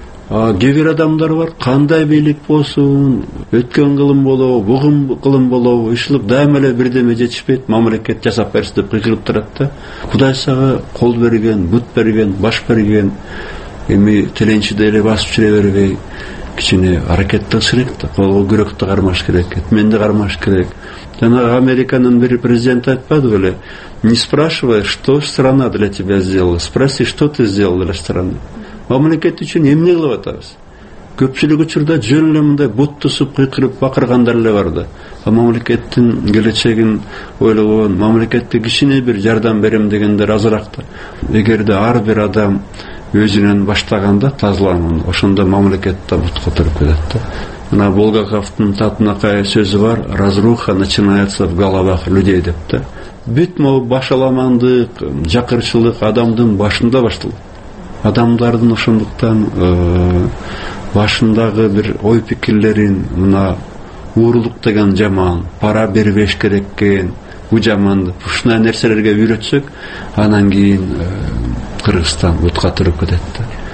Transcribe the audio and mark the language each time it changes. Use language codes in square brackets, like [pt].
[ky] Кээ бир адамдар бар, кандай бийлик болсун, өткөн кылым болобу, бүгүн кылым болобу, ушулуп дайыма эле бирдеме жетишпейт, мамлекет жасап берсин деп кыйкырып турат да. Кудай сага кол берген, бут берген, баш берген, эми тиленчи деле басып жүрө бербей, кичине аракетте ысырек да, колго күрөктү кармаш керек, этменди кармаш керек. Жанагы Американын бир президенти айтпадыбы эле: [ru] не спрашивай, что страна для тебя сделала, спроси, что ты сделал для страны. [ky] Мамлекет үчүн эмне кылып атабыз? Көпчүлүк учурда жөн эле мындай буттусуп кыйкырып бакыргандар эле бар да. А мамлекеттин келечегин ойлогон, мамлекетте кичине бир жардам берем дегендер азыраак да. Эгерде ар бир адам өзүнөн баштаганда тазаланганда, ошондо мамлекет да бут которуп кетет да. Мына Булгаковдун татынакай сөзү бар: [ru] разруха начинается в головах людей [ky] деп да. Бүт могу башаламандык, жакырчылык адамдын башында башталат. Адамдардын ошондуктан башындагы бир ой пикирлерин, мына уурулук деген жаман, пара бербеш керек экен, бул жаманды ушундай нерселерге үйрөтсөк, анан кийин Кыргызстан бутка туруп кетет да.